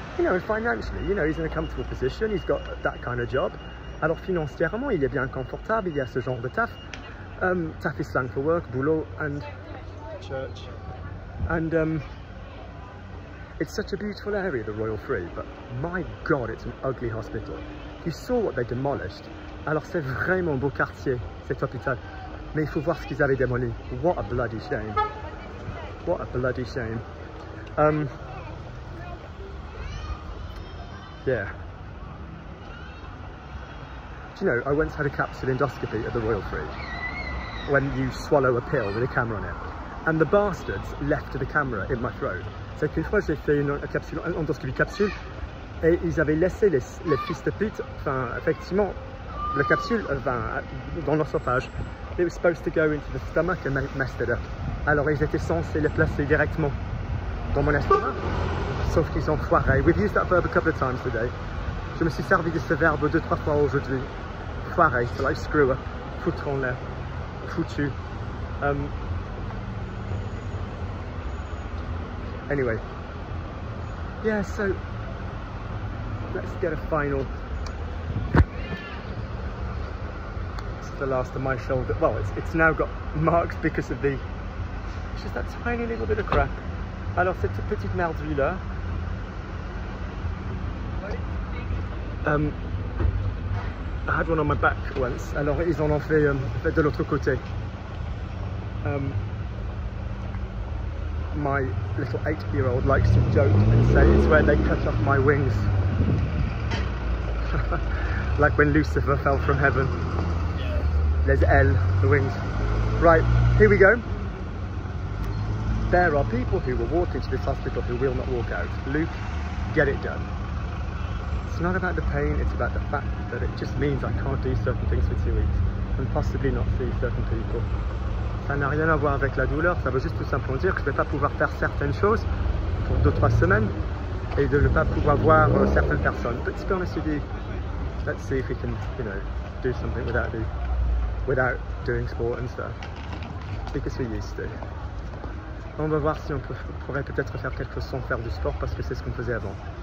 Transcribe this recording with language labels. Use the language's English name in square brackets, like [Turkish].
[English] You know, financially, you know, he's in a comfortable position, he's got that kind of job. [French] Alors financièrement, il est bien confortable, il y a ce genre de taf. [English] Taf is slang for work, boulot, and... church. And, it's such a beautiful area, the Royal Free, but my God, it's an ugly hospital. You saw what they demolished. [French] Alors c'est vraiment beau quartier, cet hôpital. Mais il faut voir ce qu'ils avaient démoli. [English] What a bloody shame. What a bloody shame. Yeah. Do you know, I once had a capsule endoscopy at the Royal Free. When you swallow a pill with a camera on it. And the bastards left the camera in my throat. [French] C'est qu'une fois j'ai fait une capsule, une endoscopie capsule, et ils avaient laissé les fils de pute, enfin, effectivement, la capsule, enfin, dans l'œsophage. [English] It was supposed to go into the stomach and messed it up. [French] Alors ils étaient censés les placer directement dans mon estomac. Sauf qu'ils ont foiré. [English] We've used that verb a couple of times today. [French] Je me suis servi de ce verbe 2-3 fois aujourd'hui. Foiré, [English] so like screw up. [French] Foutre en l'air. Foutu. [English] Anyway. Yeah, so let's get a final. The last of my shoulder. Well, it's now got marks because of the. It's just that tiny little bit of crap. [French] Alors, cette petite merde vue là. [English] I had one on my back once. [French] Alors, ils en ont fait de l'autre côté. [English] My little 8-year-old likes to joke and say it's where they cut off my wings. Like when Lucifer fell from heaven. There's L, the wings. Right, here we go. There are people who will walk into this hospital who will not walk out. Luke, get it done. It's not about the pain, it's about the fact that it just means I can't do certain things for 2 weeks and possibly not see certain people. [French] Ça n'a rien à voir avec la douleur, ça veut juste tout simplement dire que je ne vais pas pouvoir faire certaines choses pour 2-3 semaines et de ne pas pouvoir voir certaines personnes. [English] But to be honest with you, let's see if we can, you know, do something without you. Without doing sport and stuff, because we used to. [French] On va voir si on pourrait peut-être faire quelque chose sans faire du sport parce que c'est ce qu'on faisait avant.